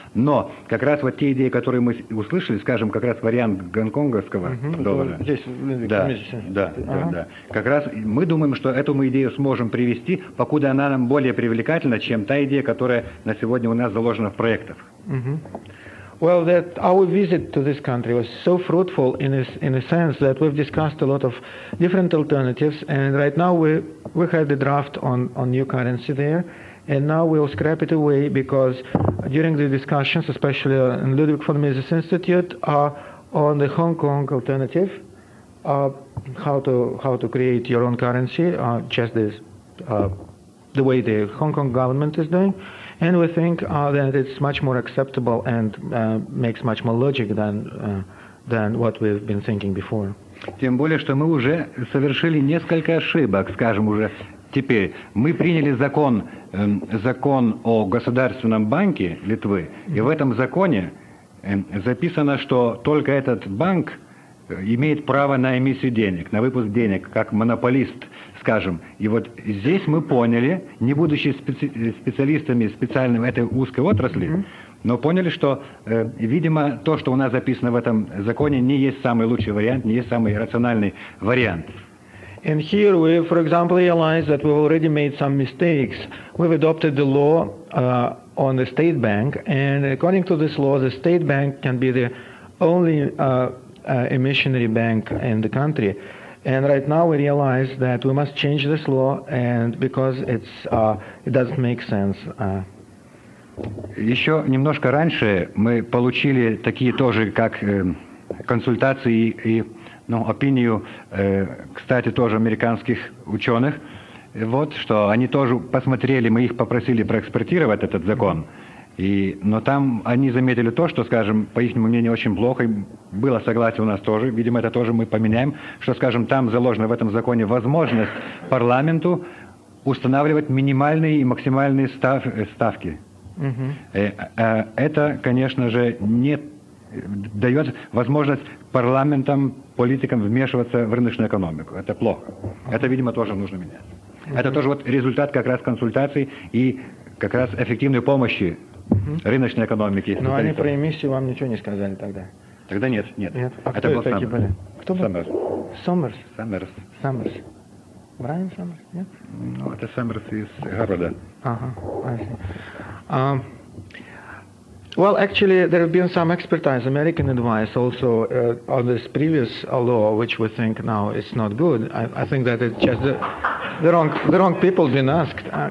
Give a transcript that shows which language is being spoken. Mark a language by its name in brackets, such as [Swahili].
[Russian] Но как раз вот те идеи, которые мы услышали, скажем, как раз вариант гонконгского доллара. Здесь, да. Как раз мы думаем, что эту мы идею сможем привести, покуда она нам более привлекательна, чем та идея, которая на сегодня у нас заложена в проектах. [English] Well, that our visit to this country was so fruitful in a sense that we've discussed a lot of different alternatives, and right now we had the draft on new currency there, and now we'll scrap it away because during the discussions, especially in Ludwig von Mises Institute, on the Hong Kong alternative, how to create your own currency, just this, the way the Hong Kong government is doing. And we think that it's much more acceptable and makes much more logic than what we've been thinking before. [Russian] Тем более, что мы уже совершили несколько ошибок, скажем уже теперь. Мы приняли закон о государственном банке Литвы, и в этом законе записано, что только этот банк имеет право на эмиссию денег, на выпуск денег, как монополист, скажем. И вот здесь мы поняли, не будучи специалистами специальными этой узкой отрасли, но поняли, что, видимо, то, что у нас записано в этом законе, не есть самый лучший вариант, не есть самый рациональный вариант. [English] And here we, for example, realize that we've already made some mistakes. We've adopted the law on the state bank, and according to this law, the state bank can be the only emissionary bank in the country. And right now we realize that we must change this law, and because it doesn't make sense. [Russian] Еще немножко раньше мы получили такие тоже, как консультации и опинию, кстати, тоже американских ученых. Вот что они тоже посмотрели, мы их попросили проэкспортировать этот закон. Но там они заметили то, что, скажем, по их мнению, очень плохо, и было согласие у нас тоже, видимо, это тоже мы поменяем, что, скажем, там заложено в этом законе возможность парламенту устанавливать минимальные и максимальные ставки. Это, конечно же, не дает возможность парламентам, политикам вмешиваться в рыночную экономику. Это плохо. Это, видимо, тоже нужно менять. Это тоже вот результат как раз консультаций и как раз эффективной помощи рыночной экономике. Но они про эмиссию вам ничего не сказали тогда. Тогда нет, нет. А кто это был такие были? Кто был? Саммерс. Саммерс? Саммерс. Саммерс. Брайан Саммерс, нет? Ну, это Саммерс из Гарварда. [English] Ага, well, actually, there have been some expertise, American advice also on this previous law, which we think now is not good. I think that it's just the wrong people been asked.